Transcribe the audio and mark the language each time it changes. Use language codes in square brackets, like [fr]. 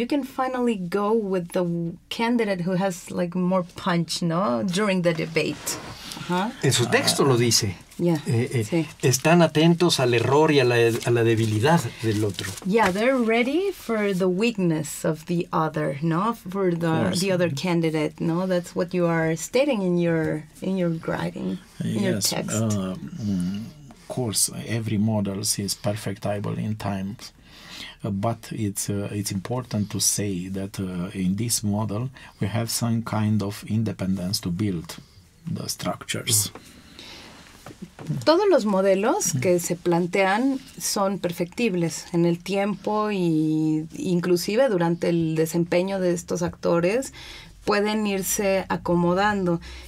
[en] You can finally go with the candidate who has like more punch, no, during the debate. [es] Uh-huh. En su texto lo dice. [en] Yeah, [es] sí. Están atentos al error y a la debilidad del otro. [en] Yeah, they're ready for the weakness of the other, no, for the the other candidate, no. That's what you are stating in your writing, yes, in your text. Of course, every model is perfectible in time, but it's important to say that in this model we have some kind of independence to build the structures. [es] Todos los modelos que se plantean son perfectibles en el tiempo y inclusive durante el desempeño de estos actores pueden irse acomodando.